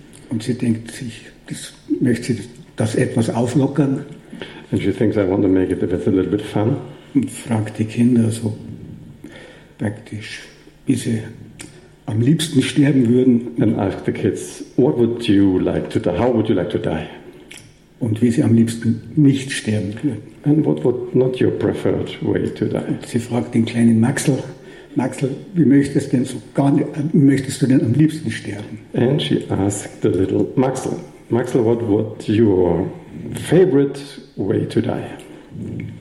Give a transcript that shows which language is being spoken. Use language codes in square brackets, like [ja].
[de] Und sie denkt sich, das möchte sie das etwas auflockern. [en] And she thinks I want to make it a little bit fun. [de] Und fragt die Kinder so praktisch, wie sie am liebsten sterben würden. [en] And ask the kids, what would you like to die? How would you like to die? [de] Und wie sie am liebsten nicht sterben würden. [en] And what would not your preferred way to die? [de] Und sie fragt den kleinen Maxl. Maxl, wie möchtest, denn so gar nicht, möchtest du denn am liebsten sterben? [en] And she asked the little Maxl, Maxl, what would your favorite way to die?